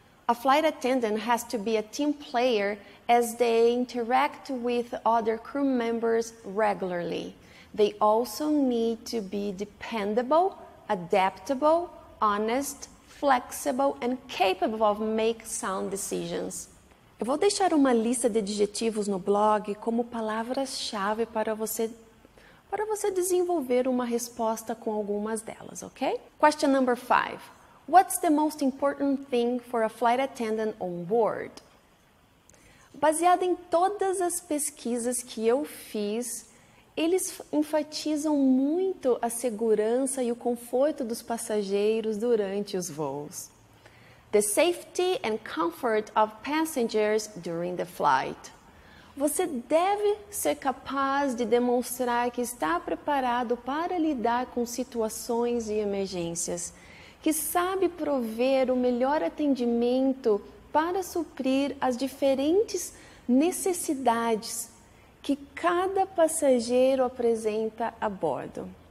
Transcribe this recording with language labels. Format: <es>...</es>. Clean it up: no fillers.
<en>A flight attendant has to be a team player as they interact with other crew members regularly. They also need to be dependable, adaptable, honest, flexible, and capable of making sound decisions.</en> <pt>Eu vou deixar uma lista de adjetivos no blog como palavras-chave para você desenvolver uma resposta com algumas delas, ok?</pt> <en>Question number 5. What's the most important thing for a flight attendant on board?</en> <pt>Baseado em todas as pesquisas que eu fiz, eles enfatizam muito a segurança e o conforto dos passageiros durante os voos.</pt> <en>The safety and comfort of passengers during the flight.</en> <pt>Você deve ser capaz de demonstrar que está preparado para lidar com situações e emergências, que sabe prover o melhor atendimento para suprir as diferentes necessidades que cada passageiro apresenta a bordo.</pt>